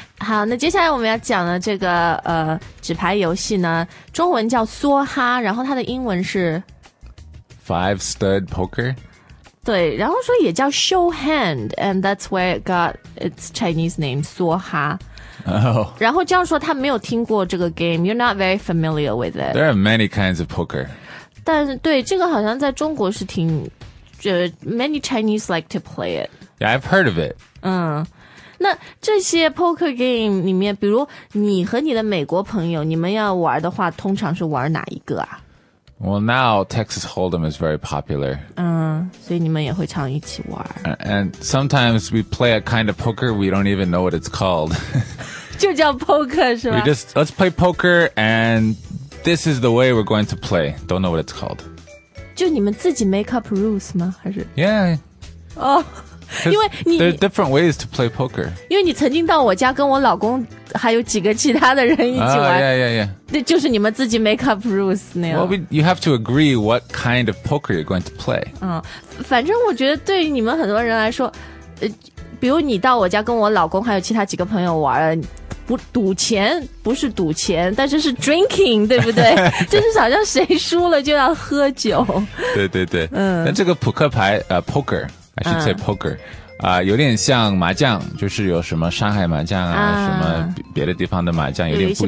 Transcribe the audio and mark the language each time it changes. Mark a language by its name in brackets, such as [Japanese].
[Chinese] 好那接下来我们要讲的这个纸牌游戏呢中文叫梭哈然后它的英文是 [English] Five Stud Poker? [Chinese] 对然后说也叫 [English] show hand, and that's where it got its Chinese name, 梭哈。 Oh. [Chinese] 然后这样说他没有听过这个 game, [English] you're not very familiar with it. There are many kinds of poker. [Chinese] 但对这个好像在中国是挺 [English] many Chinese like to play it. Yeah, I've heard of it. [Chinese] 那这些 poker game 里面比如你和你的美国朋友你们要玩的话通常是玩哪一个啊 [English] Well, now Texas Hold'em is very popular. [Chinese] 所以你们也会常一起玩。 [English] And sometimes we play a kind of poker we don't even know what it's called. [Chinese] 就叫 poker, 是吧? [English] We just, let's play poker, and this is the way we're going to play. Don't know what it's called. [Chinese] 就你们自己 make up rules 吗?还是? [English] Yeah. [Chinese] Oh. 因为你 [English] There are different ways to play poker. [Chinese] 因为你曾经到我家跟我老公还有几个其他的人一起玩。 [English] Yeah. [Chinese] 那就是你们自己 make up rules 那样。 [English] Well, you have to agree what kind of poker you're going to play. [Chinese] 反正我觉得对于你们很多人来说，比如你到我家跟我老公还有其他几个朋友玩，不赌钱，不是赌钱，但是是 drinking， 对不对？就是好像谁输了就要喝酒。对对对，嗯。那这个扑克牌poker， [English] I should say poker， [Chinese] 有点像麻将，就是有什么上海麻将 啊，什么别的地方的麻将，有点不